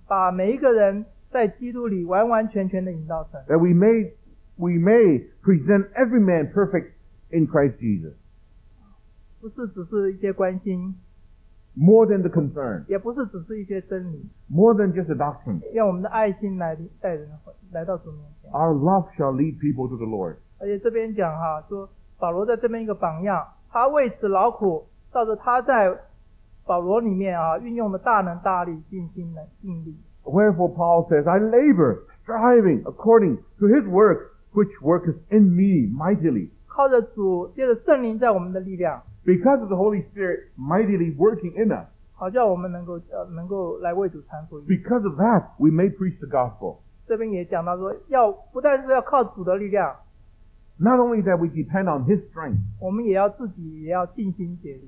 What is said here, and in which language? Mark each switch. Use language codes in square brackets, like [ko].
[zh] 把每一个人在基督里完完全全地引导成, [en] that we may present every man perfect in Christ Jesus. [zh] 不是只是一些关心, [en] more than the concern, [zh] 也不是只是一些真理, [en] more than just a doctrine. [zh] 让我们的爱心来带人来到主面前, [en] our love shall lead people to the Lord. [zh] 而且这边讲哈, 说保罗在这边一个榜样, 他为此劳苦, 照着他在 保罗里面啊，运用了大能、大力、尽心的尽力。 [en] Wherefore Paul says, I labor, striving according to his work, which worketh in me mightily. [zh] 靠着主，借着圣灵在我们的力量。 [en] Because of the Holy Spirit mightily working in us. [zh] 好叫我们能够来为主传福音。 [en] Because of that, we may preach the gospel. [zh] 这边也讲到说，要不但是要靠主的力量。 [en] Not only that we depend on His strength, [zh] 我们也要自己也要尽心竭力,